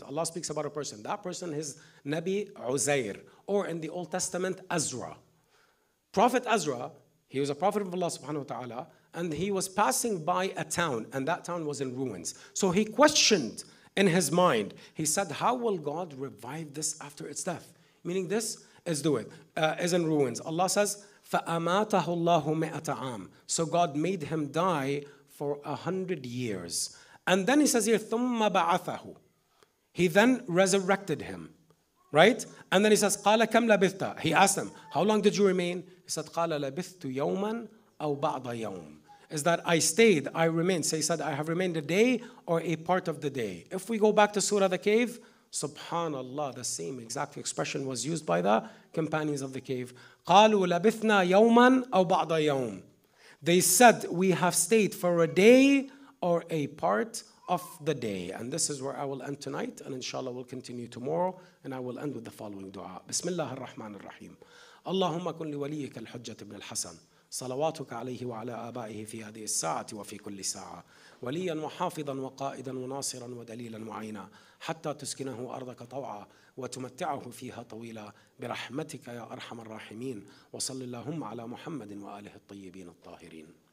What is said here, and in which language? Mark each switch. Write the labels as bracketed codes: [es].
[en] Allah speaks about a person. That person is Nabi Uzair, or in the Old Testament, Ezra. Prophet Ezra, he was a prophet of Allah subhanahu wa ta'ala, and he was passing by a town, and that town was in ruins. So he questioned in his mind. He said, how will God revive this after its death? Meaning this is is in ruins. Allah says, [ar] فَأَمَاتَهُ اللَّهُ مِئَةَ عَامٍ. [en] So God made him die for 100 years. And then he says here, [ar] ثُمَّ بَعَثَهُ. [en] He then resurrected him. Right? And then he says, [ar] قَالَ كَمْ لَبِثْتَ. [en] He asked him, how long did you remain? He said, [ar] قَالَ لَبِثْتُ يَوْمًا أَوْ بَعْضَ يَوْمٍ. [en] Is that I stayed, I remained. So he said, I have remained a day or a part of the day. If we go back to Surah the Cave, subhanAllah, the same exact expression was used by the companions of the cave. [ar] قَالُوا لَبِثْنَا يَوْمًا أَوْ بَعْضَ يَوْمٍ. [en] They said, we have stayed for a day or a part of the day. And this is where I will end tonight, and inshallah we'll continue tomorrow, and I will end with the following dua. [ar] Bismillah ar-Rahman ar-Rahim. Allahumma kun liwaliyyik al-Hujjat ibn al-Hasan. صلواتك عليه وعلى آبائه في هذه الساعة وفي كل ساعة وليا وحافظا وقائدا وناصرا ودليلا معينا حتى تسكنه أرضك طوعا وتمتعه فيها طويلا برحمتك يا أرحم الراحمين وصل اللهم على محمد وآله الطيبين الطاهرين